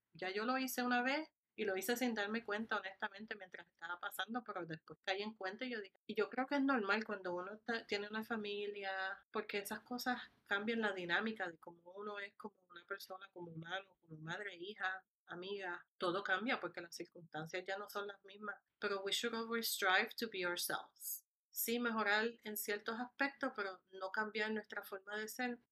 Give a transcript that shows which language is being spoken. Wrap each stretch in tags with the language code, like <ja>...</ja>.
<es>Ya yo lo hice una vez y lo hice sin darme cuenta, honestamente, mientras estaba pasando, pero después caí en cuenta y yo dije. Y yo creo que es normal cuando uno tiene una familia, porque esas cosas cambian la dinámica de cómo uno es como una persona, como humano, como madre, hija, amiga. Todo cambia porque las circunstancias ya no son las mismas.</es> <en>Pero we should always strive to be ourselves.</en> <es>Sí, mejorar en ciertos aspectos, pero no cambiar nuestra forma de ser.</es>